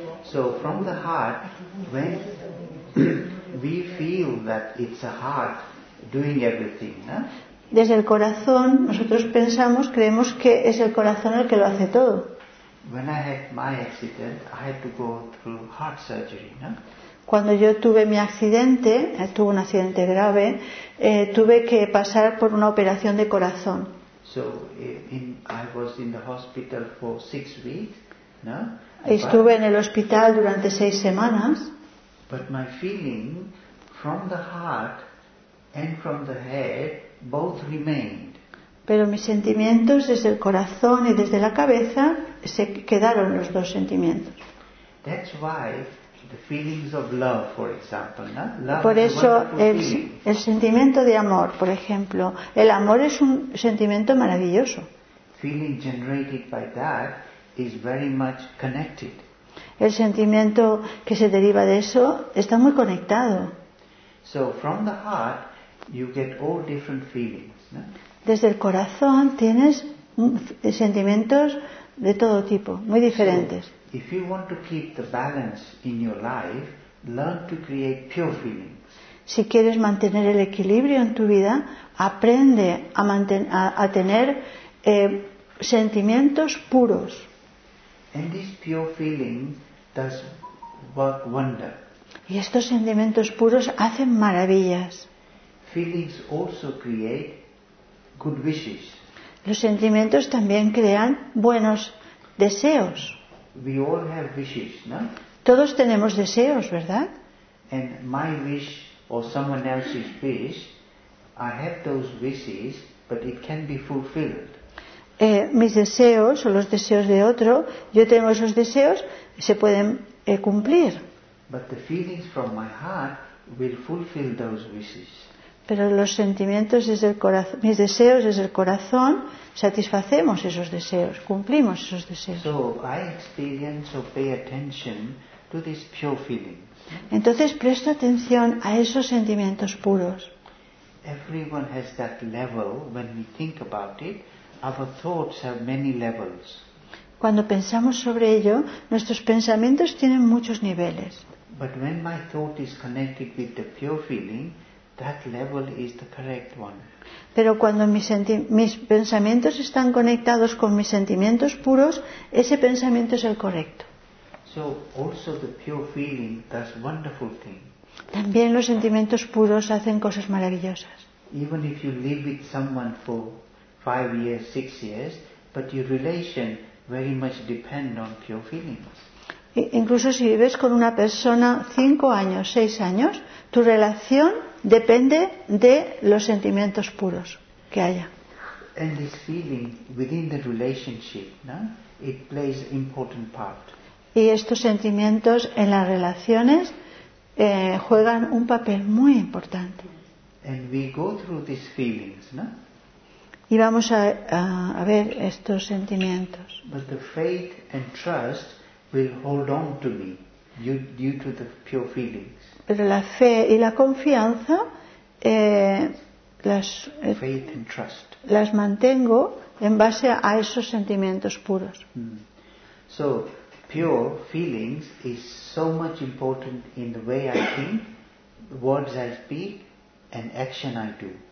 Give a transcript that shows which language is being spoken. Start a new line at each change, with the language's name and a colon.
English: So from the heart, when we feel that it's a heart doing everything, ¿no?
Spanish: Desde el corazón, nosotros pensamos, creemos que es el corazón el que lo hace todo.
English: When I had my accident, I had to go through heart surgery, no?
Spanish: Cuando yo tuve mi accidente, tuve un accidente grave, tuve que pasar por una operación de corazón.
English: So, I was in the hospital for 6 weeks, no?
Spanish: Estuve en el hospital durante 6 semanas.
English: But my feeling from the heart and from the head both remained.
Spanish: Pero mis sentimientos desde el corazón y desde la cabeza se quedaron los dos sentimientos.
English: That's why the feelings of love, for example, no? Love.
Spanish: Por eso el sentimiento de amor, por ejemplo, el amor es un sentimiento maravilloso.
English: Feeling generated by that is very much connected.
Spanish: El sentimiento que se deriva de eso está muy conectado.
English: So from the heart you get all different feelings, no?
Spanish: Desde el corazón tienes sentimientos de todo tipo, muy diferentes.
English: So, if you want to keep the balance in your life, learn to create pure feelings.
Spanish: Si quieres mantener el equilibrio en tu vida, aprende a tener sentimientos puros.
English: And this pure feeling does work wonder.
Spanish: Y estos sentimientos puros hacen maravillas.
English: Feelings also create good wishes.
Spanish: Los sentimientos también crean buenos deseos.
English: We all have wishes, no?
Spanish: Todos tenemos deseos, ¿verdad?
English: And my wish or someone else's wish, I have those wishes, but it can be fulfilled.
Spanish: Mis deseos o los deseos de otro, yo tengo esos deseos, se pueden cumplir.
English: But the feelings from my heart will fulfill those wishes.
Spanish: Pero los sentimientos desde el corazón, mis deseos desde el corazón, satisfacemos esos deseos, cumplimos esos deseos.
English: So I experience or pay attention to this pure feeling.
Spanish: Entonces presto atención a esos sentimientos puros.
English: Everyone has that level when we think about it. Our thoughts have many levels.
Spanish: Cuando pensamos sobre ello, nuestros pensamientos tienen muchos niveles.
English: But when my thought is connected with the pure feeling, that level is the correct one.
Spanish: Pero cuando mis pensamientos están conectados con mis sentimientos puros, ese pensamiento es el correcto.
English: So also the pure feeling does wonderful things.
Spanish: También los sentimientos puros hacen cosas maravillosas.
English: Even if you live with someone for 5 years, 6 years, but your relation very much depends on pure feelings.
Spanish: Incluso si vives con una persona 5 años, 6 años, tu relación depende de los sentimientos puros que haya.
English: And this feeling within the relationship, no? It plays an important part.
Spanish: Y estos sentimientos en las relaciones juegan un papel muy importante.
English: And we go through these feelings, no?
Spanish: Y vamos a ver estos sentimientos.
English: But the faith and trust will hold on to me due to the pure feelings.
Spanish: Pero la fe y la confianza
English: faith and trust.
Spanish: Las mantengo en base a esos sentimientos puros.
English: So pure feelings is so much important in the way I think, words I speak, and action I do.